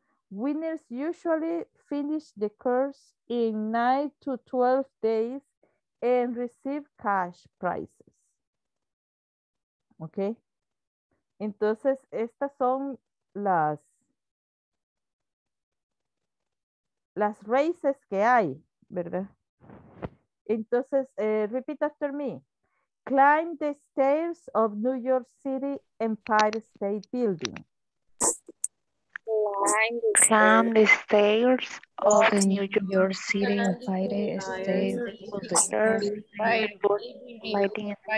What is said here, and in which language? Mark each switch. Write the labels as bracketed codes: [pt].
[en] Winners usually finish the course in 9 to 12 days and receive cash prizes. Okay. [es] Entonces, estas son las races que hay, ¿verdad? [en] Entonces, repeat after me. Climb the stairs of New York City Empire State Building. Climb the stairs of the New York City Empire State Building.